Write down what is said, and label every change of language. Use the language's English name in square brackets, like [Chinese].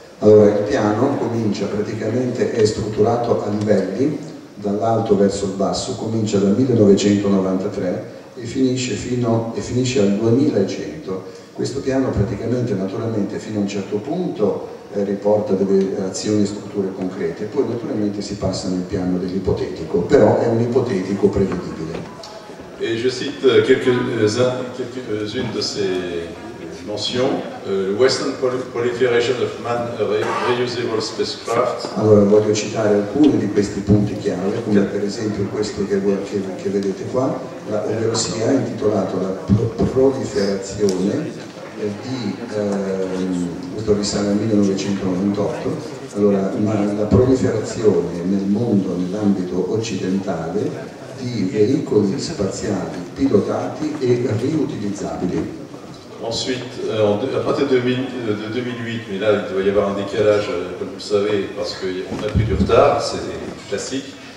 [Italian] Allora, il piano comincia praticamente, è strutturato a livelli, dall'alto verso il basso, comincia dal 1993 e finisce al 2100. Questo piano praticamente, naturalmente, fino a un certo punto riporta delle azioni e strutture concrete, poi naturalmente si passa nel piano dell'ipotetico, però è un ipotetico prevedibile. [French] E je cite quelques-unes de ces mentions. [English] Western proliferation of reusable spacecraft. [Italian] Allora, voglio citare alcuni di questi punti chiave, come per esempio questo che vedete qua, ovvero si è intitolato la proliferazione di questo risale al 1998. Allora, ma la proliferazione nel mondo, nell'ambito occidentale, di veicoli spaziali pilotati e riutilizzabili. [French] Ensuite, à partir de 2008, mais là il doit y avoir un décalage, comme vous le savez, parce qu'on a pris du retard, c'est classique.